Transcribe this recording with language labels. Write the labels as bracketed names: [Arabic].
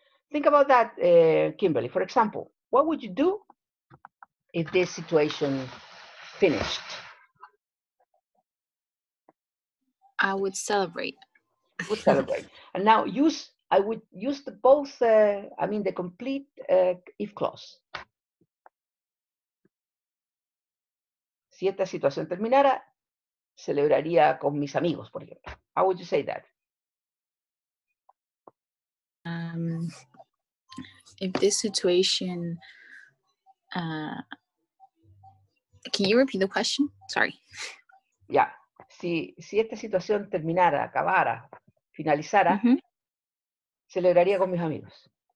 [English] Think about that, Kimberly. For example, what would you do if this situation finished? I would celebrate. Would celebrate. And now use, I would use the both, I mean the complete if clause. [Spanish] Si esta situación terminara, celebraría con mis amigos, por ejemplo. [English] How would you say that? If this situation, can you repeat the question? Sorry. Yeah. [Spanish] Si esta situación terminara, acabara, finalizara, celebraría con mis amigos.